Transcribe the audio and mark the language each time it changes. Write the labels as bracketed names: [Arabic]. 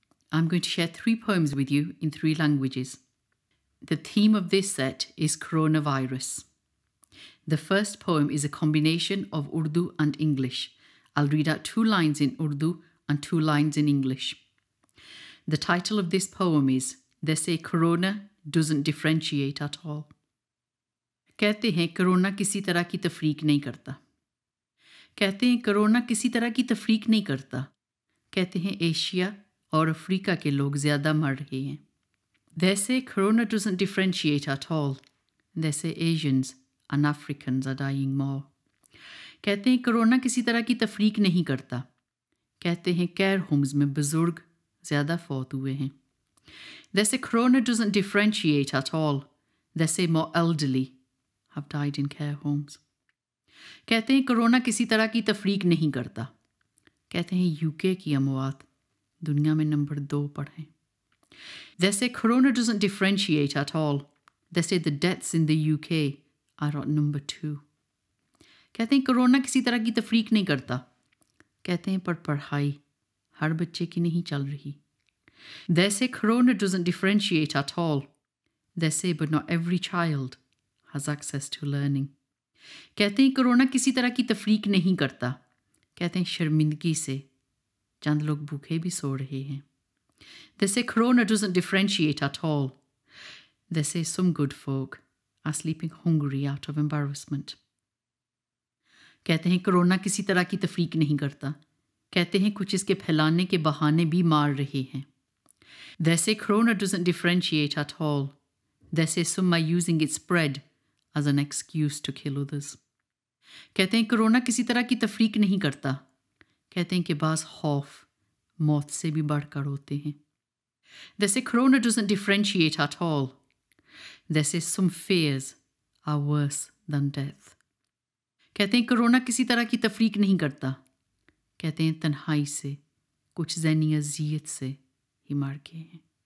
[English] I'm going to share three poems with you in three languages. The theme of this set is coronavirus. The first poem is a combination of Urdu and English. I'll read out two lines in Urdu and two lines in English. The title of this poem is They say corona doesn't differentiate at all. [Urdu] کہتے ہیں corona کسی طرح کی تفریق نہیں کرتا. کہتے ہیں کرونا کسی طرح کی تفریق نہیں کرتا. کہتے ہیں ایشیا اور افریقہ کے لوگ زیادہ مر رہے ہیں. [English] They say corona doesn't differentiate at all. They say Asians and Africans are dying more. [Urdu] کہتے ہیں کرونا کسی طرح کی تفریق نہیں کرتا. کہتے ہیں کئیر ھومز میں بزرگ زیادہ فوت ہوئے ہیں. [English] They say corona doesn't differentiate at all. They say more elderly have died in care homes. [Urdu] کہتے ہیں کرونا کسی طرح کی تفریق نہیں کرتا. کہتے ہیں یو کے کی اموات دنیا میں نمبر دو پر ہیں. [English] They say corona doesn't differentiate at all. They say the deaths in the UK are at number two. [Urdu] کہتے ہیں کرونا کسی طرح کی تفریق نہیں کرتا. کہتے ہیں پر پڑھائی ہر بچے کی نہیں چل رہی. [English] They say corona doesn't differentiate at all. They say but not every child has access to learning. [Urdu] کہتے ہیں کرونا کسی طرح کی تفریق نہیں کرتا. کہتے ہیں شرمندگی سے چند لوگ بھوکے بھی سو رہے ہیں. [English] They say corona doesn't differentiate at all. They say some good folk are sleeping hungry out of embarrassment. [Urdu] کہتے ہیں کرونا کسی طرح کی تفریق نہیں کرتا. کہتے ہیں کچھ اس کے پھیلانے کے بہانے بھی مار رہے ہیں. [English] They say corona doesn't differentiate at all. They say some are using its spread as an excuse to kill others. [Urdu] کہتے ہیں کرونا کسی طرح کی تفریق نہیں کرتا. کہتے ہیں کہ بعض خوف موت سے بھی بڑھ کر ہوتے ہیں. [English] They say corona doesn't differentiate at all. They say some fears are worse than death. [Urdu] کہتے ہیں کرونا کسی طرح کی تفریق نہیں کرتا. کہتے ہیں تنہائی سے کچھ ذہنی اذیت سے ہی مر گئے ہیں.